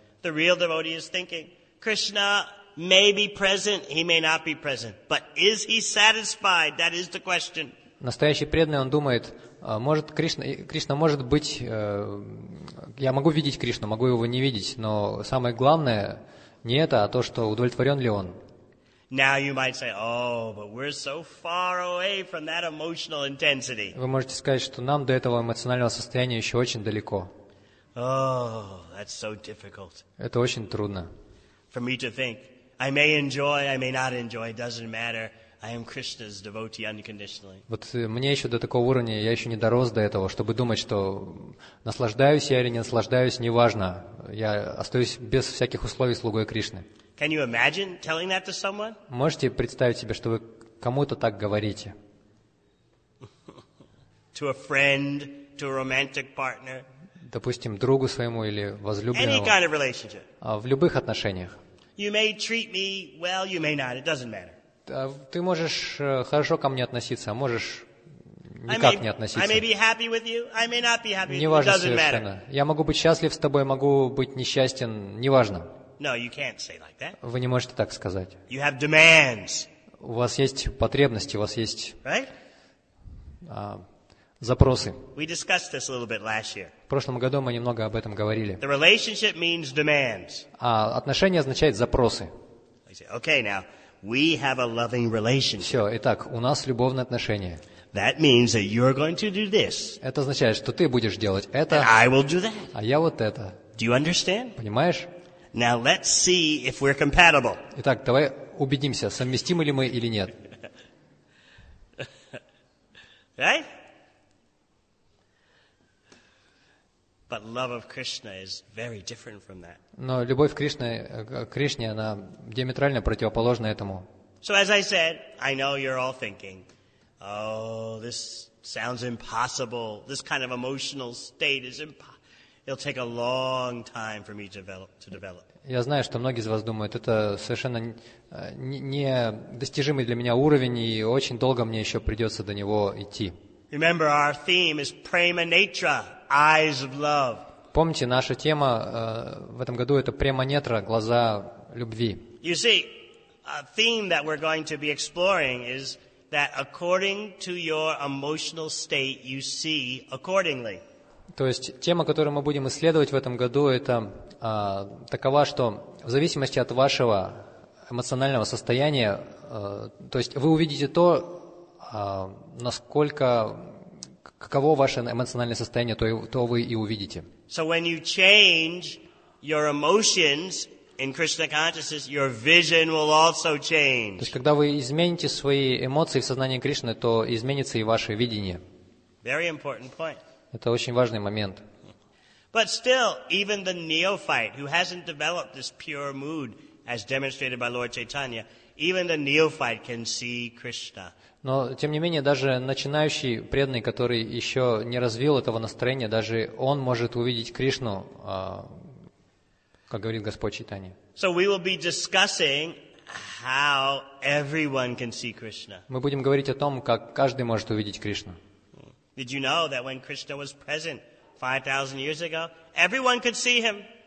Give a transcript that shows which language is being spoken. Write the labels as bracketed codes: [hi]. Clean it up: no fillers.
[en] The real devotee is thinking, Krishna may be present, he may not be present, but is he satisfied? That is the question. [ru] Настоящий преданный, он думает, может Кришна может быть, я могу видеть Кришну, могу его не видеть, но самое главное не это, а то, что удовлетворен ли он. [en] Now you might say, oh, but we're so far away from that emotional intensity. [ru] Вы можете сказать, что нам до этого эмоционального состояния еще очень далеко. [en] Oh, that's so difficult. [ru] Это очень трудно. [en] For me to think, I may enjoy, I may not enjoy, it doesn't matter. I am Krishna's devotee unconditionally. [ru] Вот мне еще до такого уровня, я еще не дорос до этого, чтобы думать, что наслаждаюсь я или не наслаждаюсь, неважно. Я остаюсь без всяких условий слугой Кришны. [en] Can you imagine telling that to someone? [ru] Можете представить себе, что вы кому-то так говорите? [en] To a friend, to a romantic partner. [ru] Допустим, другу своему или возлюбленному. [en] Any kind of relationship. [ru] В любых отношениях. [en] You may treat me well, you may not, it doesn't matter. [ru] Ты можешь хорошо ко мне относиться, а можешь никак не относиться. [en] I may be happy with you, I may not be happy with you, [ru] неважно, [en] it doesn't [ru] совершенно. [en] Matter. [ru] Я могу быть счастлив с тобой, могу быть несчастен, неважно. [en] No, you can't say like that. [ru] Вы не можете так сказать. [en] You have demands. [ru] У вас есть потребности, у вас есть [en] right? [ru] Запросы. [en] We discussed this a little bit last year. [ru] В прошлом году мы немного об этом говорили. [en] The relationship means demands. [ru] А отношения означают запросы. [en] Okay, now, we have a loving relationship. [ru] Все, итак, у нас любовные отношения. [en] That means that you're going to do this. [ru] Это означает, что ты будешь делать это. [en] And I will do that. [ru] А я вот это. [en] Do you understand? [ru] Понимаешь? [en] Now let's see if we're compatible. [ru] Итак, давай убедимся, совместимы ли мы или нет. [en] Right? But love of Krishna is very different from that. [ru] Но любовь Кришны, Кришне, она диаметрально противоположна этому. [en] So as I said, I know you're all thinking, oh, this sounds impossible. This kind of emotional state is impossible. It'll take a long time for me to develop. [ru] Я знаю, что многие из вас думают, это совершенно недостижимый для меня уровень, и очень долго мне еще придется до него идти. [en] Remember, our theme is prema netra, eyes of love. [ru] Помните, наша тема в этом году это prema netra, глаза любви. [en] You see, a theme that we're going to be exploring is that according to your emotional state, you see accordingly. [ru] То есть тема, которую мы будем исследовать в этом году, это такова, что в зависимости от вашего эмоционального состояния, то есть вы увидите то, насколько каково ваше эмоциональное состояние, то вы и увидите. [en] So when you change your emotions in Krishna consciousness, your vision will also change. [ru] То есть когда вы измените свои эмоции в сознании Кришны, то изменится и ваше видение. [en] Very important point. [ru] Это очень важный момент. [en] But still, even the neophyte who hasn't developed this pure mood, as demonstrated by Lord Chaitanya, even the neophyte can see Krishna. [ru] Но тем не менее, даже начинающий преданный, который еще не развил этого настроения, даже он может увидеть Кришну, как говорит Господь Чайтанья. [en] So we will be discussing how everyone can see Krishna. [ru] Мы будем говорить о том, как каждый может увидеть Кришну. [en] Did you know that when Krishna was present 5,000 years ago, everyone could see him?